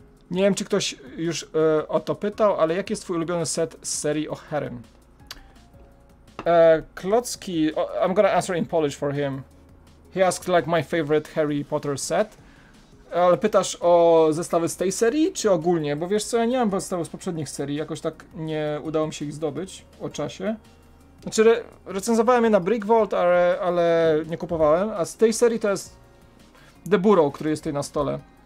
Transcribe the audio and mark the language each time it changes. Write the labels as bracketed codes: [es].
[pl] Nie wiem, czy ktoś już o to pytał, ale jaki jest twój ulubiony set z serii o Harrym? [en] Klocki, I'm gonna answer in Polish for him. He asked like my favorite Harry Potter set. [pl] Ale pytasz o zestawy z tej serii, czy ogólnie? Bo wiesz co, ja nie mam zestawów z poprzednich serii, jakoś tak nie udało mi się ich zdobyć o czasie. Znaczy, recenzowałem je na Brick Vault, ale nie kupowałem, a z tej serii to jest The Burrow, który jest tutaj na stole.